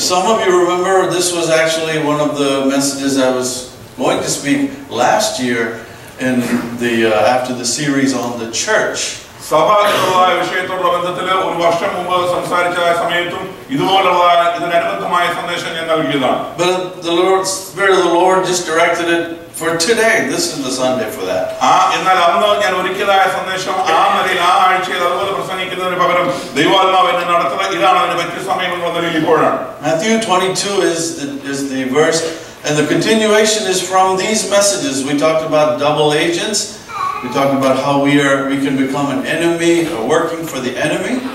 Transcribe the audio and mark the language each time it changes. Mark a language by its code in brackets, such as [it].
[en] some of you remember, this was actually one of the messages I was going to speak last year in the after the series on the church. [ml] സഭാതുള്ള വിഷയത്തോടുള്ള ബന്ധത്തിൽ ഒരു വർഷം മുമ്പ് സംസാരിച്ച സമയത്തും ഇതുപോലുള്ള ഇതിനനുബന്ധമായ സന്ദേശം ഞാൻ നൽകിയതാണ്. [en] But the Lord's spirit of the Lord just directed it for today. This is the Sunday for that. [ml] എന്നാൽ അന്ന് ഞാൻ ഒരുക്കിയതായ സന്ദേശം ആ മതി ആ ആഴ്ചയിൽ അതുപോലെ പ്രസംഗിക്കുന്നതിന് പകരം ദൈവാത്മാവ് എന്നെ നടത്തുക ഇതാണ് അതിന് പറ്റിയ സമയം എന്ന് പറഞ്ഞത് ഇപ്പോഴാണ്. [en] Matthew 22 is the verse, and the continuation is from these messages. We talked about double agents. We talk about how we can become an enemy or working for the enemy.